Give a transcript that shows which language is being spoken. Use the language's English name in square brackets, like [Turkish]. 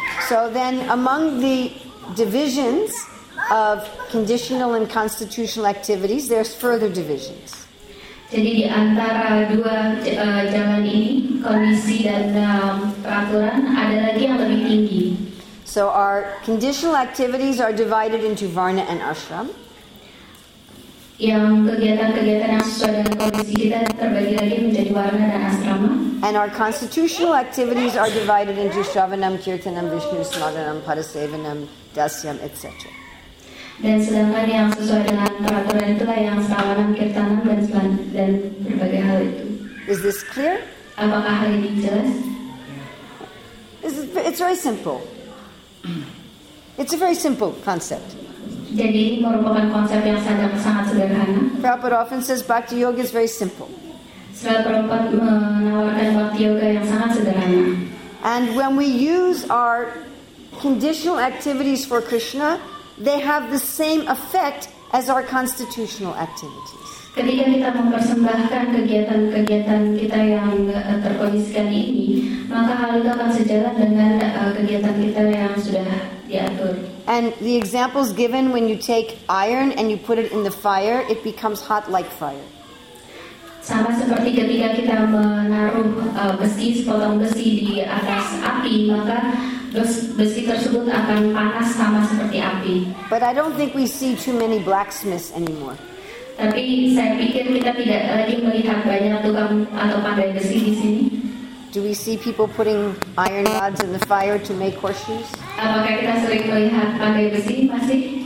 [English] So then among the divisions of conditional and constitutional activities, there's further divisions. [Indonesian] Jadi di antara dua jalan ini, kondisi dan peraturan, ada lagi yang lebih tinggi. [English] So our conditional activities are divided into varna and ashram. [Indonesian] yang kegiatan-kegiatan yang sesuai dengan kondisi kita terbagi lagi menjadi warna dan asrama. [English] And our constitutional activities are divided into Shravanam, Kirtanam, Vishnu Smaranam, Parasevanam, Dasyam, etc. [Indonesian] Dan sedangkan yang sesuai dengan peraturan itulah yang Shravanam, Kirtanam, dan berbagai hal itu. [English] Is this clear? [Indonesian] Apakah hal ini jelas? [English] It's very simple. It's a very simple concept. [Indonesian] Jadi ini merupakan konsep yang sangat sederhana. [English] Prabhupada often says Bhakti Yoga is very simple. [Indonesian] Srila Prabhupada menawarkan Bhakti Yoga yang sangat sederhana. [English] And when we use our conditional activities for Krishna, they have the same effect as our constitutional activities. [Indonesian] Ketika kita mempersembahkan kegiatan-kegiatan kita yang terkondisikan ini, maka hal itu akan sejalan dengan kegiatan kita yang sudah diatur. [English] And the examples given when you take iron and you put it in the fire, it becomes hot like fire. [Indonesian] Sama seperti ketika kita menaruh besi, sepotong besi di atas api, maka besi tersebut akan panas sama seperti api. [English] But I don't think we see too many blacksmiths anymore. [Indonesian] Tapi saya pikir kita tidak lagi melihat banyak tukang atau pandai besi di sini. [English] Do we see people putting iron rods in the fire to make horseshoes? [Indonesian] Apakah kita sering melihat pandai besi masih?